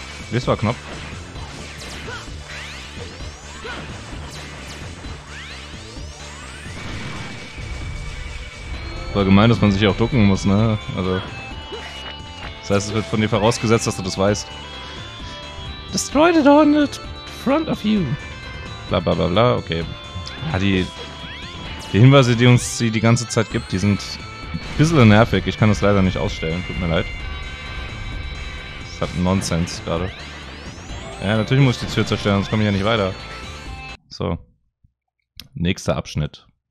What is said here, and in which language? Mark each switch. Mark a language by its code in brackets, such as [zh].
[de] Das war knapp. War gemein, dass man sich auch ducken muss, ne? Also. Das heißt, es wird von dir vorausgesetzt, dass du das weißt. [en] Destroy the door in the front of you. Bla bla bla bla, okay. [de] Ja, die Hinweise, die uns sie die ganze Zeit gibt, die sind ein bisschen nervig. Ich kann das leider nicht ausstellen. Tut mir leid. Das hat Nonsens gerade. Ja, natürlich muss ich die Tür zerstören, sonst komme ich ja nicht weiter. So. Nächster Abschnitt.